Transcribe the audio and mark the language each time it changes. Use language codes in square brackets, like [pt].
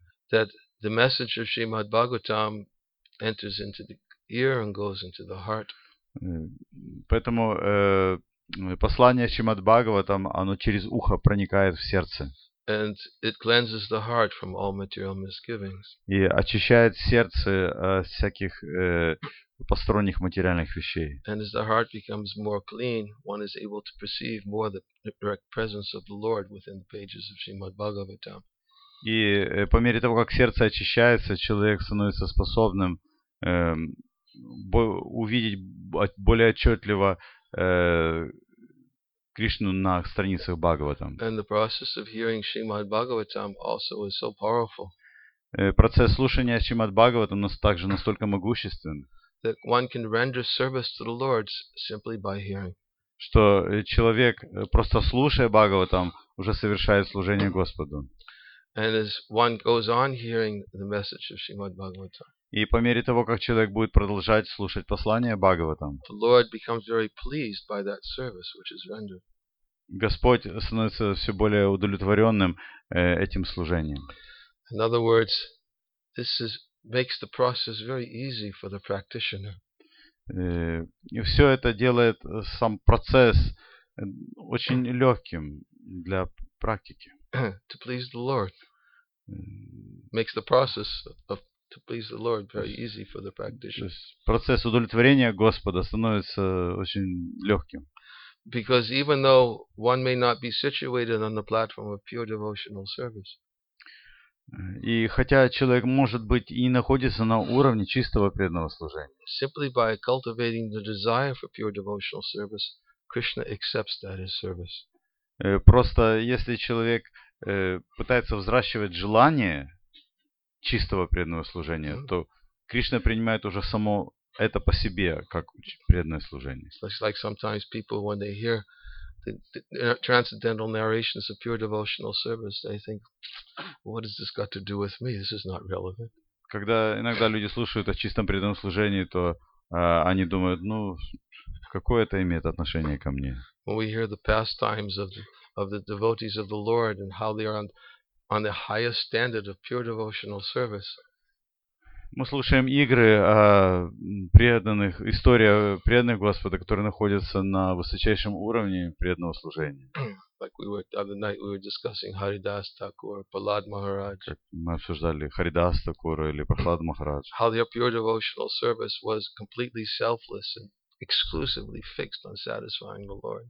[en] That the message of Srimad Bhagavatam enters into the ear and goes into the heart. [ru] Поэтому послание Шримад Бхагаватам, оно через ухо проникает в сердце. [en] And it cleanses the heart from all material misgivings. [ru] И очищает сердце от всяких посторонних материальных вещей. [en] And as the heart becomes more clean, one is able to perceive more the direct presence of the Lord within the pages of Srimad Bhagavatam. [ru] И по мере того, как сердце очищается, человек становится способным увидеть более отчетливо Кришну на страницах Бхагаватам. [en] And the process of hearing Srimad Bhagavatam also is so powerful. [ru] Процесс слушания Шримад Бхагаватам также настолько могуществен, [en] that one can render service to the Lord simply by hearing. [ru] Что человек, просто слушая Бхагаватам, уже совершает служение Господу. [en] And as one goes on hearing the message of Srimad Bhagavatam, [ru] и по мере того, как человек будет продолжать слушать послание Бхагаватам, [en] the Lord becomes very pleased by that service which is rendered. [ru] Господь становится все более удовлетворенным этим служением. [en] In other words, this is makes the process very easy for the practitioner. [ru] И все это делает сам процесс очень легким для практики. [en] To please the Lord makes the process of to please the Lord very easy for the practitioner. [ru] Процесс удовлетворения Господа становится очень легким. [en] Because even though one may not be situated on the platform of pure devotional service. [ru] И хотя человек может быть и не находится на уровне чистого преданного служения. [en] Simply by cultivating the desire for pure devotional service, Krishna accepts that as service. [ru] Просто если человек пытается взращивать желание чистого преданного служения, то Кришна принимает уже само это по себе как преданное служение. [en] It's like sometimes people when they hear transcendental narrations of pure devotional service, they think, what has this got to do with me? This is not relevant. [ru] Когда иногда люди слушают о чистом преданном служении, то они думают, ну, какое это имеет отношение ко мне? [en] When we hear the pastimes of the devotees of the Lord and how they are on the highest standard of pure devotional service. [ru] Мы слушаем игры о преданных, история преданных Господа, которые находятся на высочайшем уровне преданного служения. [en] Like we were the other night we were discussing Haridas Thakur, Prahlad Maharaj. [ru] Мы обсуждали Харидас Такура или Прахлад Махарадж. [en] How their pure devotional service was completely selfless and exclusively fixed on satisfying the Lord.